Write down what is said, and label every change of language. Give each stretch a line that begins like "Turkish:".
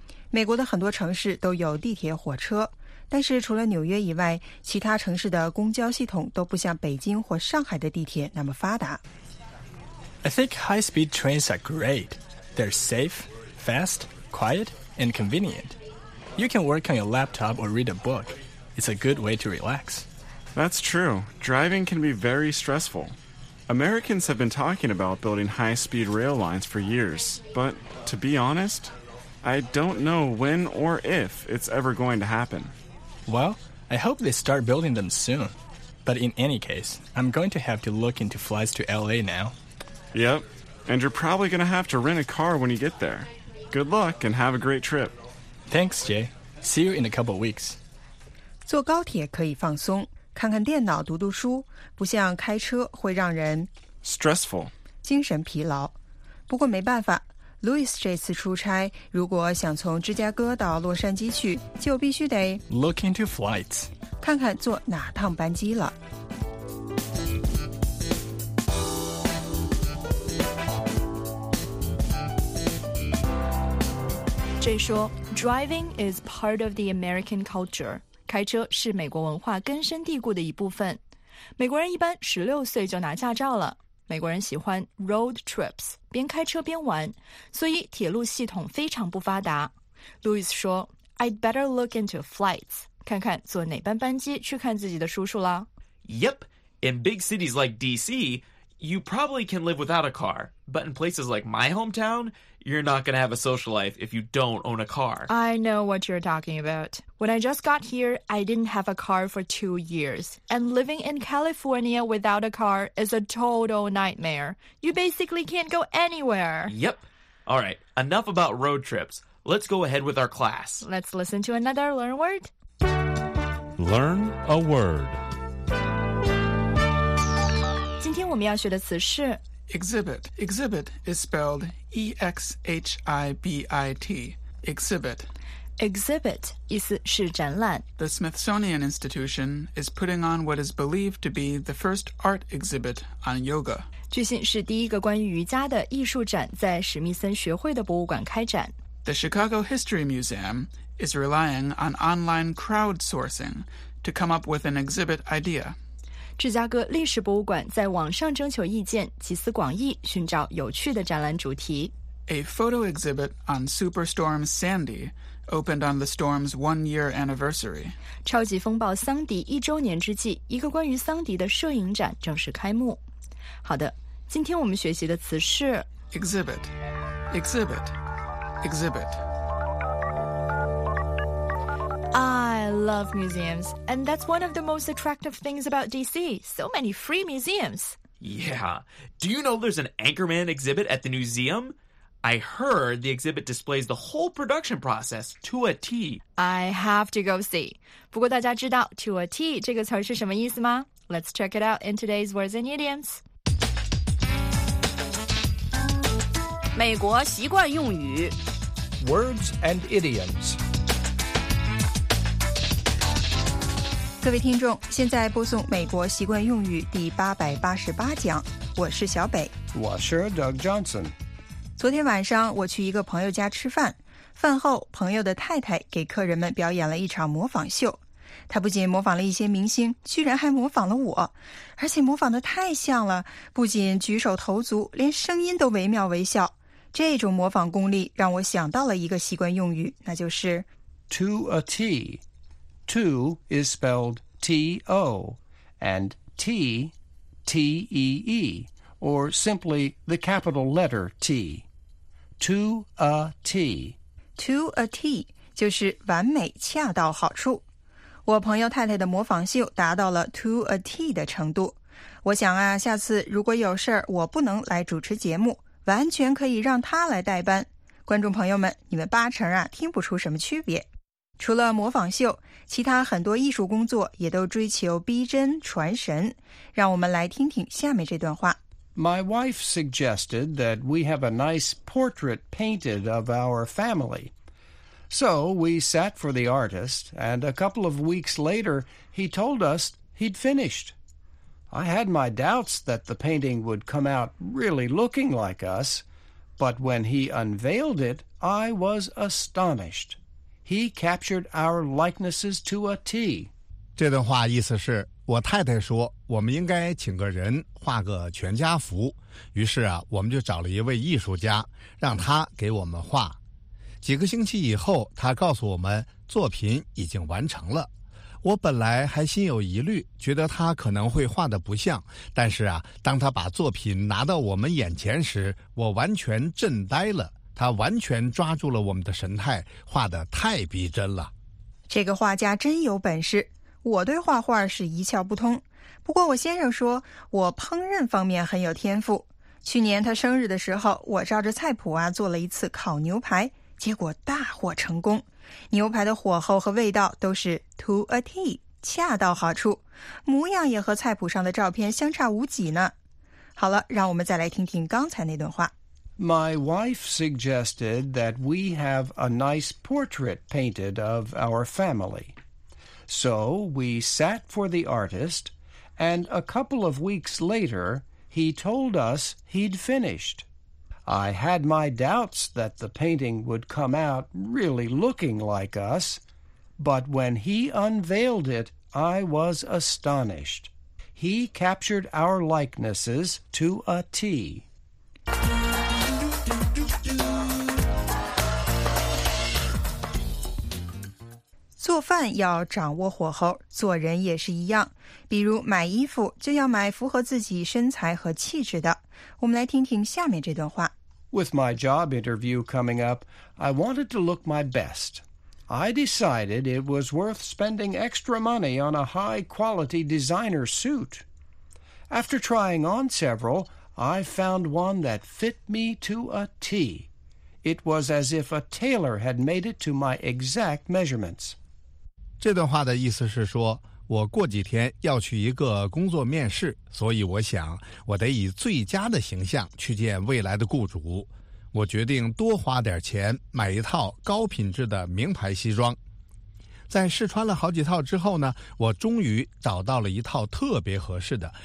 Chinese: 美国的很多城市都有地铁火车，但是除了纽约以外，其他城市的公交系统都不像北京或上海的地铁那么发达。
English: I think high-speed trains are great. They're safe, fast, quiet, and convenient. You can work on your laptop or read a book. It's a good way to relax. That's true. Driving can be very stressful. Americans have been talking about building high-speed rail lines for years, but to be honest, I don't know when or if it's ever going to happen. Well, I hope they start building them soon. But in any case, I'm going to have to look into flights to LA now. Yep, and you're probably going to have to rent a car when you get there. Good luck and have a great trip. Thanks, Jay. See you in a couple weeks.
Chinese: 坐高铁可以放松，看看电脑，读读书，不像开车会让人
English: stressful,
Chinese: 精神疲劳。不过没办法， Louis 这次出差，如果想从芝加哥到洛杉矶去，就必须得
English: look into flights,
Chinese: 看看坐哪趟班机了。
English: Jay 说 driving is part of the American culture.
Chinese: 开车是美国文化根深蒂固的一部分。美国人一般16岁就拿驾照了。美国人喜欢 road trips, 边开车边玩。所以铁路系统非常不发达。
English: Louis 说 I'd better look into flights.
Chinese: 看看坐哪班班机去看自己的叔叔啦。
English: Yep, in big cities like DC, you probably can live without a car. But in places like my hometown,You're not going to have a social life if you don't own a car. I know what you're talking about. When I just got here, I didn't have a car for 2 years. And living in California without a car is a total nightmare. You basically can't go anywhere. Yep. All right, enough about road trips. Let's go ahead with our class. Let's listen to another Learn Word. Learn a word.
Chinese: 今天我们要学的词是
English: Exhibit. Exhibit is spelled E-X-H-I-B-I-T. Exhibit.
Chinese: Exhibit 意思是展览。
English: The Smithsonian Institution is putting on what is believed to be the first art exhibit on yoga.
Chinese: 据信是第一个关于瑜伽的艺术展在史密森学会的博物馆开展。
English: The Chicago History Museum is relying on online crowdsourcing to come up with an exhibit idea.
Chinese: 芝加哥历史博物馆在网上征求意见，集思广益，寻找有趣的展览主题。
English: A photo exhibit on Superstorm Sandy opened on the storm's one-year anniversary.
Chinese: 超级风暴桑迪一周年之际，一个关于桑迪的摄影展正式开幕。好的，今天我们学习的词是
English: exhibit, exhibit, exhibit. I love museums, and that's one of the most attractive things about DC. So many free museums. Yeah. Do you know there's an Anchorman exhibit at the museum? I heard the exhibit displays the whole production process to a T. I have to go see.
Chinese: 不过大家知道 to a T 这个词是什么意思吗?
English: Let's check it out in today's Words and Idioms.
Chinese: 美国习惯用语
English: Words and Idioms.
Chinese: 各位听众，现在播送美国习惯用语第888讲，我是小北。我是 Doug Johnson。昨天晚上我去一个朋友家吃饭，饭后朋友的太太给客人们表演了一场模仿秀。她不仅模仿了一些明星，居然还模仿了我，而且模仿得太像了，不仅举手投足，连声音都惟妙惟肖。这种模仿功力让我想到了一个习惯用语，那就是
English: To a T. To is spelled T-O and T, T-E-E, or simply the capital letter T. To a T.
Chinese: To a T 就是完美恰到好处。我朋友太太的模仿秀达到了 to a T 的程度。我想啊，下次如果有事儿我不能来主持节目，完全可以让她来代班。观众朋友们，你们八成啊听不出什么区别。除了模仿秀，其他很多艺术工作也都追求逼真传神。让我们来听听下面这段话。
English: My wife suggested that we have a nice portrait painted of our family. So we sat for the artist, and a couple of weeks later, he told us he'd finished. I had my doubts that the painting would come out really looking like us, but when he unveiled it, I was astonished. He captured our likenesses to a T.
Chinese: 这段话意思是，我太太说，我们应该请个人画个全家福。于是啊，我们就找了一位艺术家，让他给我们画。几个星期以后，他告诉我们作品已经完成了。我本来还心有疑虑，觉得他可能会画得不像，但是啊，当他把作品拿到我们眼前时，我完全震呆了。他完全抓住了我们的神态，画得太逼真了。这个画家真有本事，我对画画是一窍不通，不过我先生说我烹饪方面很有天赋。去年他生日的时候，我照着菜谱啊做了一次烤牛排，结果大获成功。牛排的火候和味道都是 to a T， 恰到好处，模样也和菜谱上的照片相差无几呢。好了，让我们再来听听刚才那段话。
English: My wife suggested that we have a nice portrait painted of our family. So we sat for the artist, and a couple of weeks later, he told us he'd finished. I had my doubts that the painting would come out really looking like us, but when he unveiled it, I was astonished. He captured our likenesses to a T.
Chinese: 做饭要掌握火候，做人也是一样。比如买衣服就要买符合自己身材和气质的。我们来听听下面这段话。
English: With my job interview coming up, I wanted to look my best. I decided it was worth spending extra money on a high-quality designer suit. After trying on several, I found one that fit me to a T. It was as if a tailor had made it to my exact measurements.
Chinese: 这段话的意思是说，我过几天要去一个工作面试，所以我想我得以最佳的形象去见未来的雇主。我决定多花点钱买一套高品质的名牌西装。在试穿了好几套之后呢，我终于找到了一套特别合适的。